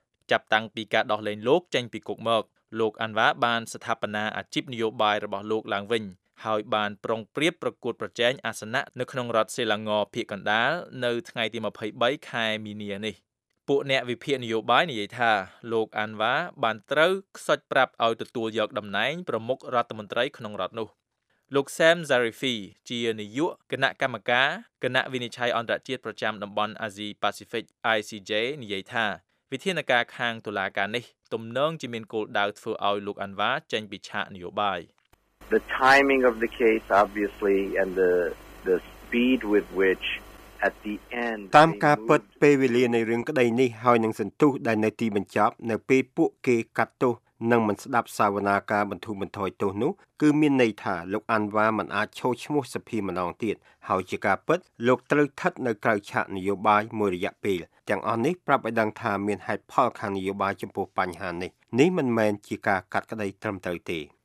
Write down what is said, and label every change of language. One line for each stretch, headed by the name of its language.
Khmer: ចាប់តាំងពីការដោះលែងលោកចេញពីគុកមកលោកអាន់វ៉ាបានស្ថាបនាអាជីពនយោបាយរបស់លោកឡើងវិញហើយបានប្រុងប្រៀបប្រកួតប្រជែងអាសនៈនៅក្នុងរដ្ឋសេឡាងរភៀកកណ្ដាលនៅថ្ងៃទី23ខែមីនានេះពួកអ្នកវិភាគនយោបាយនិយាយថាលោកអាន់វ៉ាបានត្រូវខ្សាច់ប្រាប់ឲ្យទទួលយកតំណែងប្រមុខរដ្ឋមន្ត្រីក្នុងរដ្ឋនោះ លោកសាមសារីហ្វីជានាយកគណៈកម្មការគណៈវិនិច្ឆ័យអន្តរជាតិប្រចាំតំបន់អាស៊ីប៉ាស៊ីហ្វិក ICJ និយាយថាវិធានការខាងតុលាការនេះទំនងជាមានគោលដៅធ្វើឲ្យលោកអាន់វ៉ាចេញពីឆាកនយោបាយ
English: The timing of the case obviously and the speed with which at the end
Khmer: តាមការពិតពេលវេលានៃរឿងក្តីនេះហើយនឹងសន្ទុះដែលនៅទីបញ្ចប់នៅពេលពួកគេកាត់ទោសនិងមិនស្ដាប់សាវនាការបន្ធូរបន្ថយទោសនោះគឺមានន័យថាលោកអាន់វ៉ាមិនអាចឈរឈ្មោះសភីម្ដងទៀតហើយជាការពិតលោកត្រូវថិតនៅក្រៅឆាកនយោបាយមួយរយៈពេលទាំងអស់នេះប្រាប់ឲ្យដឹងថាមានហេតុផលខាងនយោបាយចំពោះបញ្ហានេះនេះមិនមែនជាការកាត់ក្តីត្រឹមត្រូវទេ